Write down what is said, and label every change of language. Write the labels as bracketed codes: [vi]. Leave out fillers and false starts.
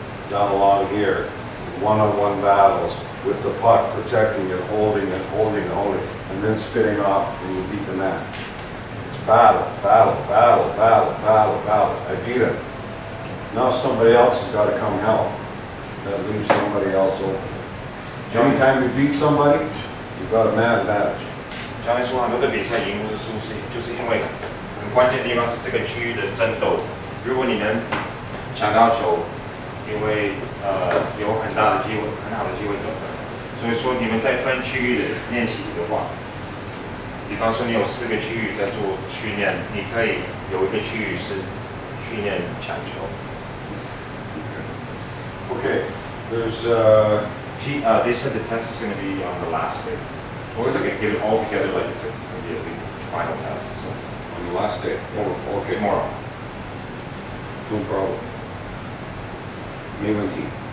[en] Down along here, one-on-one battles with the puck, protecting it, holding it, holding it, holding it, and then spinning off, and you beat the man. It's battle. I beat him. Now somebody else has got to come help. That leaves somebody else open. The only time you beat somebody, you've got a man advantage. [zh] Johnny 说很多的比赛赢不是输是，就是因为很关键的地方是这个区域的争斗。如果你能抢到球。因为有很大的机会，很好的机会得分。所以说你们在分区域的练习的话，比方说你有四个区域在做训练，你可以有一个区域是训练抢球。 [en] Okay, there's they said the test is going to be on the last day. Or is it going to get it all together like it's going to be the final test? So. On the last day. Oh, okay. Tomorrow. No problem. Maybe.